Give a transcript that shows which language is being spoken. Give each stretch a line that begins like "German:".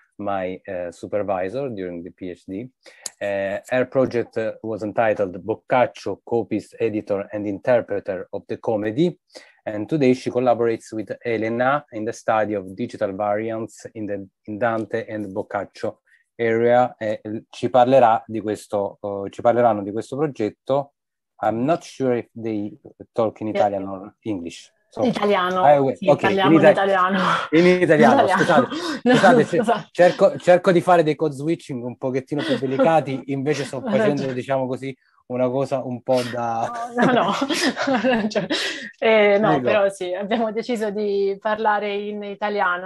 English: my supervisor during the PhD. Her project was entitled Boccaccio, Copyist, Editor and Interpreter of the Comedy. And today she collaborates with Elena in the study of digital variants in the in Dante and Boccaccio area. Ci parlerà di questo, ci parleranno di questo progetto. I'm not sure if they talk in Italian or English.
Italian: So, italiano, okay, parliamo in italiano. Scusate. Cerco di fare dei code switching un pochettino più delicati, invece sto facendo, diciamo così, una cosa un po' da... No. Cioè, no, prego. Però sì, abbiamo deciso di parlare in italiano.